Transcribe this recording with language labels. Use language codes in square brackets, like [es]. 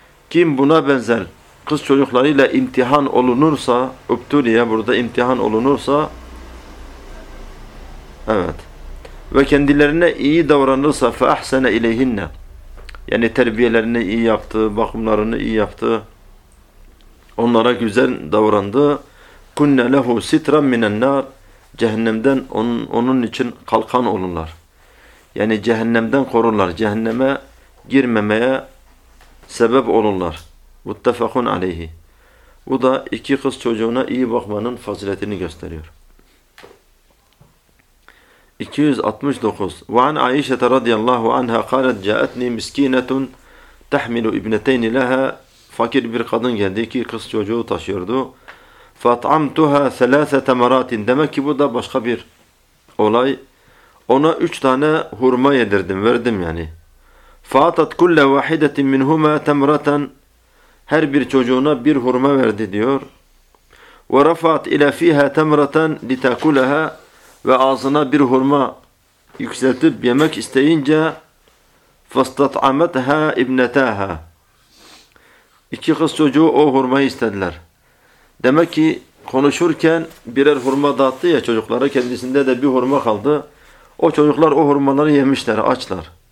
[tr] Kim buna benzer kız çocuklarıyla imtihan olunursa, اُبْتُلِيَ burada imtihan olunursa, evet, ve kendilerine iyi davranırsa, [ar] فَاَحْسَنَ اِلَيْهِنَّ, [tr] yani terbiyelerini iyi yaptı, bakımlarını iyi yaptı, onlara güzel davrandı, [ar] كُنَّ لَهُ سِتْرًا مِنَ النَّارِ, [tr] cehennemden onun için kalkan olurlar. Yani cehennemden korurlar, cehenneme girmemeye sebep olurlar. [ar] مُتَّفَقٌ عَلَيْهِ. [tr] Bu da iki kız çocuğuna iyi bakmanın faziletini gösteriyor. 269. [ar] وعن عائشة رضي الله عنها قالت جاءتني مسكينة تحمل ابنتين لها. [tr] Fakir bir kadın geldi ki kız çocuğu taşıyordu. [ar] فأطعمتها ثلاثة مرات. [tr] Demek ki bu da başka bir olay. Ona üç tane hurma yedirdim, verdim yani. [ar] فأعطت كل واحدة منهما تمرة. [tr] Her bir çocuğuna bir hurma verdi diyor. [ar] ورفعت إلى فيها تمرة لتأكلها. [tr] Ve ağzına bir hurma yükseltip yemek isteyince [ar] فَاسْتَطْعَمَتْهَا اِبْنَتَاهَا. [tr] İki kız çocuğu o hurmayı istediler. Demek ki konuşurken birer hurma dağıttı ya çocuklara, kendisinde de bir hurma kaldı. O çocuklar o hurmaları yemişler, açlar.